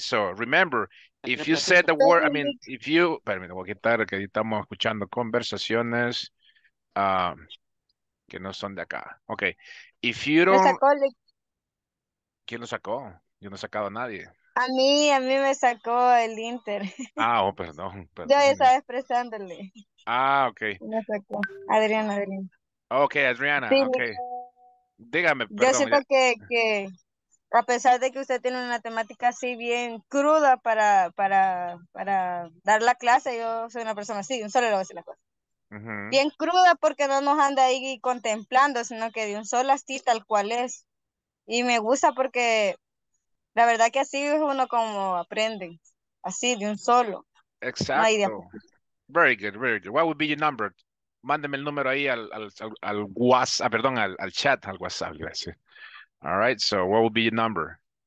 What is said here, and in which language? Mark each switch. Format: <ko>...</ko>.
<en>So, remember, if you said the word, I mean, if you...</en> <es>Espérame, voy a quitar que estamos escuchando conversaciones que no son de acá.</es> <en>Okay. If you don't...</en> <es>¿Quién lo sacó? Yo no he sacado a nadie. A mí me sacó el Inter. Ah, oh, perdón. Yo ya estaba expresándole.</es> <en>Ah, okay.</en> <es>Me sacó. Adriana. Okay, Adriana, sí, okay. Dígame, perdón. Yo siento que a pesar de que usted tiene una temática así bien cruda para dar la clase, yo soy una persona así, un solo le voy a decir la cosa. Uh-huh. Bien cruda, porque no nos anda ahí contemplando, sino que de un solo así tal cual es. Y me gusta porque la verdad que así es uno como aprende, así de un solo. Exacto. No hay idea.</es> <en>Very good, very good. What would be your number?</en> <es>Mándeme el número ahí al WhatsApp, perdón, al chat, al WhatsApp, gracias.</es> <en>All right, so what would be your number?</en>